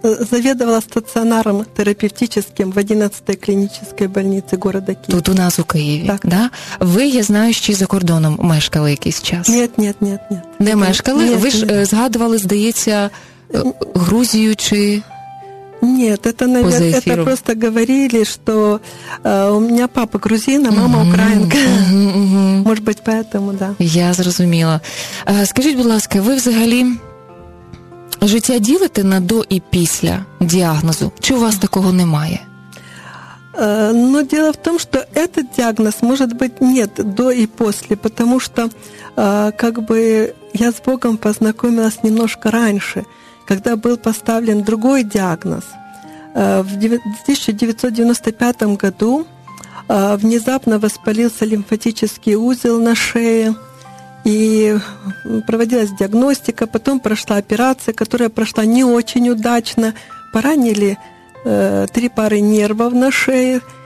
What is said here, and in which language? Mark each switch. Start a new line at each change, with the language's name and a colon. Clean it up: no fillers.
Ukrainian: Завідувала стаціонаром терапевтичним в 11-й клінічній больниці міста Києва. Тут у нас у Києві, так? Да? Ви, я знаю, ще й за кордоном мешкали якийсь час. Ні. Не мешкали? Ви ж згадували, здається, Грузію чи...
Russian: Нет, это, наверное, это просто говорили, что у меня папа грузин, а мама украинка. Может быть, поэтому, да.
Ukrainian: Я зрозуміла. Скажіть, будь ласка, ви взагалі життя ділите на до і після діагнозу? Чи у вас такого немає?
Russian: Ну, дело в том, что этот диагноз, может быть, нет до и после, потому что я с Богом познакомилась немножко раньше. Когда был поставлен другой диагноз, в 1995 году внезапно воспалился лимфатический узел на шее, и проводилась диагностика, потом прошла операция, которая прошла не очень удачно, поранили три пары нервов на шее.